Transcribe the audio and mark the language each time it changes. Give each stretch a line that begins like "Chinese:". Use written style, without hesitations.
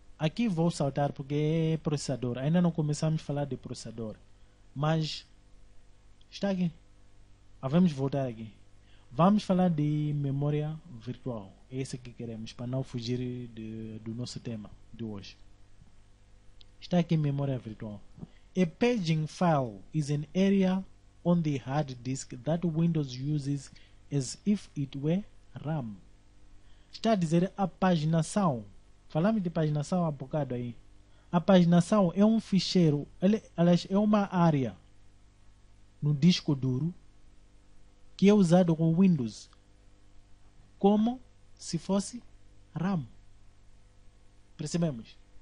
Portuguese: Aqui vou saltar porque é processador. Ainda não começamos a falar de processador. Mas está aqui. Vamos voltar aqui. Vamos falar de memória virtual. É isso que queremos, para não fugir do nosso tema de hoje. Está aqui memória virtual.
English: A paging file is an area on the hard disk that Windows uses as if it were RAM.
Portuguese: Está a dizer a paginação. Falamos de paginação há bocado aí. A paginação é um ficheiro, aliás, é uma área no disco duro que é usado com Windows como se fosse RAM. Percebemos?